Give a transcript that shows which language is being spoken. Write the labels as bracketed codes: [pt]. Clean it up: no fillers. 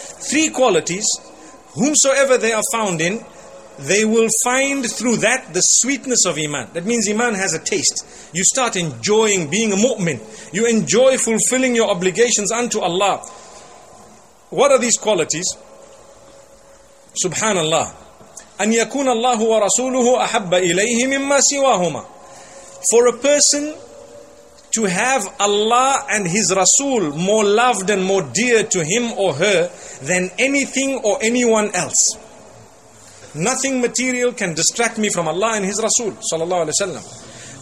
[en] Three qualities, whomsoever they are found in, they will find through that the sweetness of iman. That means iman has a taste. You start enjoying being a mu'min. You enjoy fulfilling your obligations unto Allah. What are these qualities? Subhanallah. [ar] أن يكون الله ورسوله أحب إليه مما سواهما. [en] For a person to have Allah and His Rasul more loved and more dear to him or her than anything or anyone else. Nothing material can distract me from Allah and His Rasul, sallallahu alaihi wasallam.